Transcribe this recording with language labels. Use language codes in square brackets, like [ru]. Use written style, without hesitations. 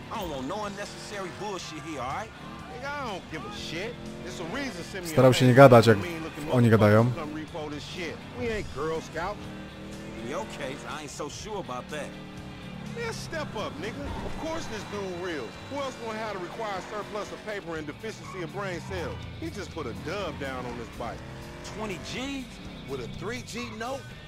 [en] I don't want no unnecessary bullshit here, all right? Nigga, I don't give a shit. It's a reason Simeon... [pl] Starał się nie gadać, jak oni gadają. [en] We ain't Girl Scouts. In your case, I ain't so sure about that. Man, step up, nigga. Of course this dude real. Who else gonna have to require a surplus of paper and deficiency of brain cells? He just put a dub down on this bike. 20 G's? With a 3G note?